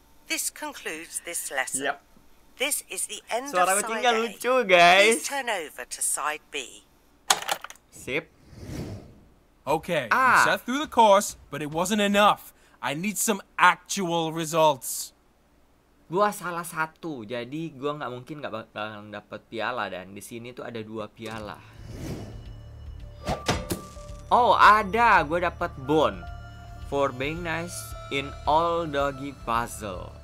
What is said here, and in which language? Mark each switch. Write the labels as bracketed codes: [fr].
[en] This concludes this lesson. Yep. This is the end [id] suara [en] of the day. [id] Suara kucingnya lucu, guys. [en] Please turn over to side B. Sip. Okay, you sat through the course, but it wasn't enough. I need some actual results. [id] Gua salah satu, jadi gua nggak mungkin nggak bakalan dapat piala dan di sini tuh ada dua piala. Oh, ada. Gua dapat [en] bone for being nice in all doggy puzzle.